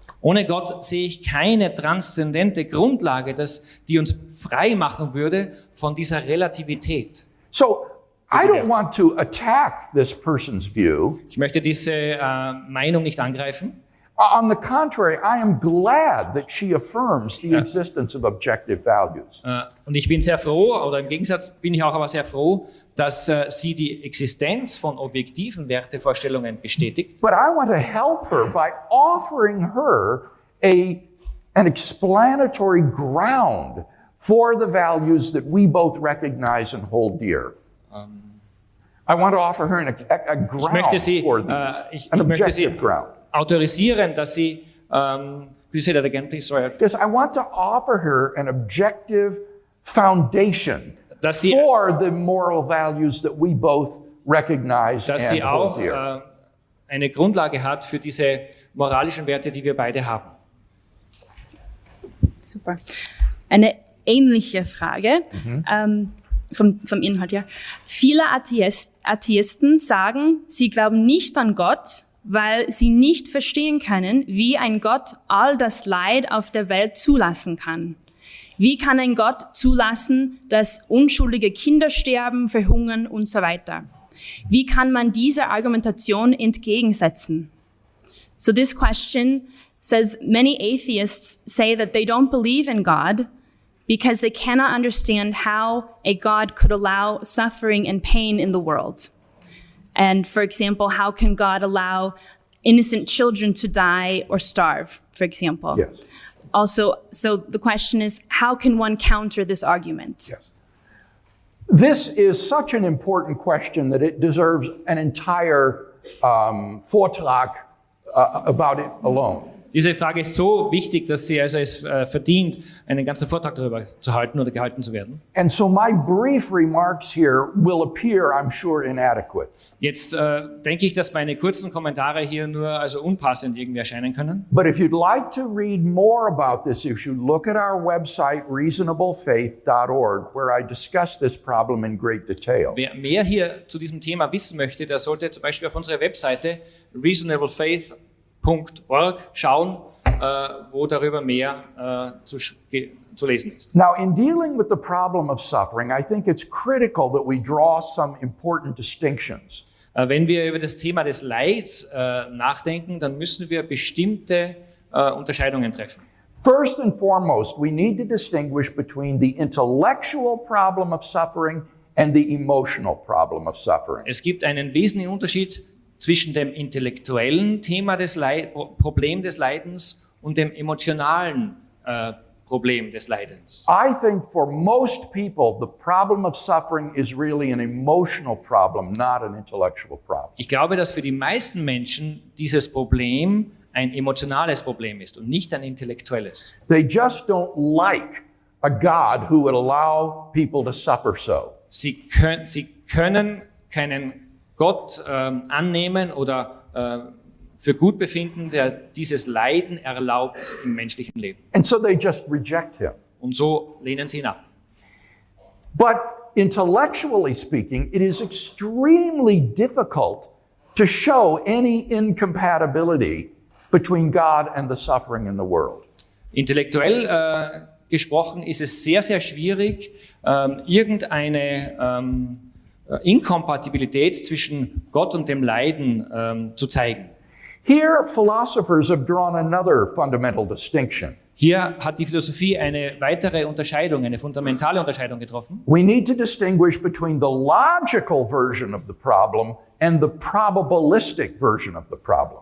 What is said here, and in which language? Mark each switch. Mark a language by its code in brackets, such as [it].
[de] Ohne Gott sehe ich keine transzendente Grundlage, die uns frei machen würde von dieser Relativität. [en] So, I don't want to attack this person's view. [de] Ich möchte diese Meinung nicht angreifen. [en] On the contrary, I am glad that she affirms the existence of objective values. [de] Und ich bin sehr froh, oder im Gegensatz bin ich auch aber sehr froh, dass sie die Existenz von objektiven Wertevorstellungen bestätigt. [en] But I want to help her by offering her an explanatory ground for the values that we both recognize and hold dear. I want to offer her a ground for these, an objective ground. [de] Autorisieren, dass sie, [en] could you say that again, please? Sorry. Yes, I want to offer her an objective foundation for the moral values that we both recognize and hold dear. [de] Dass sie auch eine Grundlage hat für diese moralischen Werte, die wir beide haben. Super. Eine ähnliche Frage, vom Inhalt her. Viele Atheisten sagen, sie glauben nicht an Gott, weil sie nicht verstehen können, wie ein Gott all das Leid auf der Welt zulassen kann. Wie kann ein Gott zulassen, dass unschuldige Kinder sterben, verhungern und so weiter? Wie kann man dieser Argumentation entgegensetzen? [en] So this question says many atheists say that they don't believe in God because they cannot understand how a God could allow suffering and pain in the world. And for example, how can God allow innocent children to die or starve, for example? Yes. Also, so the question is, how can one counter this argument? Yes. This is such an important question that it deserves an entire Vortrag about it alone. [de] Diese Frage ist so wichtig, dass sie also es verdient, einen ganzen Vortrag darüber zu halten oder gehalten zu werden. [en] And so my brief remarks here will appear, I'm sure, inadequate. [de] Jetzt denke ich, dass meine kurzen Kommentare hier nur also unpassend irgendwie erscheinen können. [en] But if you'd like to read more about this issue, look at our website reasonablefaith.org, where I discuss this problem in great detail. [de] Wer mehr hier zu diesem Thema wissen möchte, der sollte zum Beispiel auf unsere Webseite reasonablefaith.org schauen, wo darüber mehr zu lesen ist. [en] Now, in dealing with the problem of suffering, I think it's critical that we draw some important distinctions. [de] Wenn wir über das Thema des Leids nachdenken, dann müssen wir bestimmte Unterscheidungen treffen. [en] First and foremost, we need to distinguish between the intellectual problem of suffering and the emotional problem of suffering. [de] Es gibt einen wesentlichen Unterschied zwischen dem intellektuellen Thema des Problem des Leidens und dem emotionalen Problem des Leidens. [en] I think for most people the problem of suffering is really an emotional problem, not an intellectual problem. [de] Ich glaube, dass für die meisten Menschen dieses Problem ein emotionales Problem ist und nicht ein intellektuelles. [en] They just don't like a God who would allow people to suffer so. [de] Sie können keinen Gott annehmen oder für gut befinden, der dieses Leiden erlaubt im menschlichen Leben. [en] And so they just reject him. [de] Und so lehnen sie ihn ab. [en] But intellectually speaking, it is extremely difficult to show any incompatibility between God and the suffering in the world. [de] Intellektuell gesprochen ist es sehr, sehr schwierig, irgendeine Inkompatibilität zwischen Gott und dem Leiden zu zeigen. [en] Here philosophers have drawn another fundamental distinction. [de] Hier hat die Philosophie eine weitere Unterscheidung, eine fundamentale Unterscheidung getroffen. [en] We need to distinguish between the logical version of the problem and the probabilistic version of the problem.